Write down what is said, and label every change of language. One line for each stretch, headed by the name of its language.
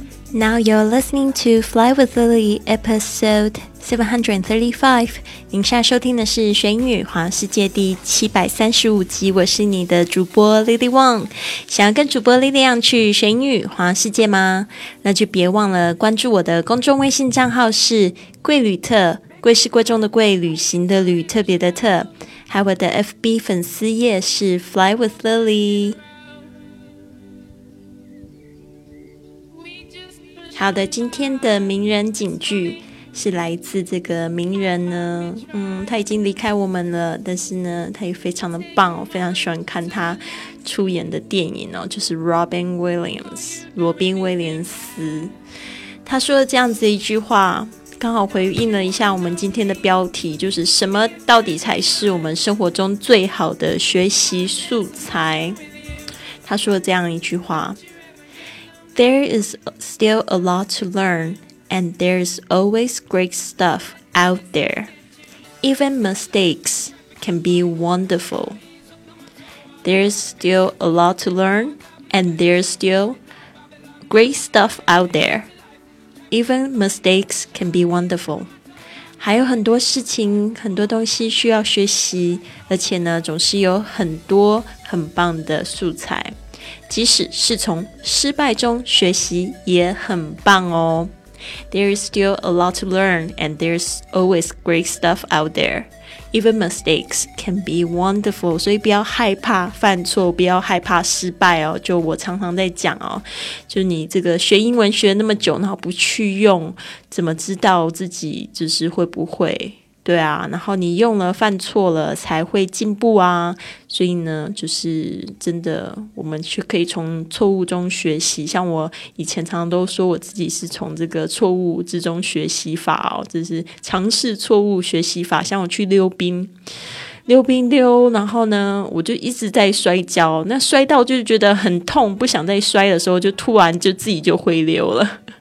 English: Now you're listening to Fly with Lily episode 735。
Chinese: 您现在收听的是《学英语环游世界》第735集。我是你的主播 Lily Wang。想要跟主播 Lily Wang 去《学英语环游世界》吗？那就别忘了关注我的公众微信账号是“贵旅特”，贵是贵重的贵，旅行的旅，特别的特。还有我的 FB 粉丝页是 Fly with Lily。好的，今天的名人警句是来自这个名人呢，他已经离开我们了，但是呢他也非常的棒，我非常喜欢看他出演的电影哦，就是 Robin Williams， 罗宾威廉斯。他说了这样子一句话，刚好回应了一下我们今天的标题，就是什么到底才是我们生活中最好的学习素材。他说了这样一句话，
English: There is still a lot to learn, and there is always great stuff out there. Even mistakes can be wonderful. There is still a lot to learn, and there is still great stuff out there. Even mistakes can be wonderful.
Chinese: 还有很多事情，很多东西需要学习，而且呢，总是有很多很棒的素材。即使是从失败中学习也很棒哦。
English: There is still a lot to learn, and there's always great stuff out there. Even mistakes can be wonderful.
Chinese: 所以不要害怕犯错，不要害怕失败哦。就我常常在讲哦，就你这个学英文学那么久，然后不去用，怎么知道自己就是会不会？对啊，然后你用了犯错了才会进步啊，所以呢就是真的我们却可以从错误中学习，像我以前常常都说我自己是从这个错误之中学习法哦，就是尝试错误学习法，像我去溜冰溜，然后呢我就一直在摔跤，那摔到就觉得很痛，不想再摔的时候就突然就自己就会溜了。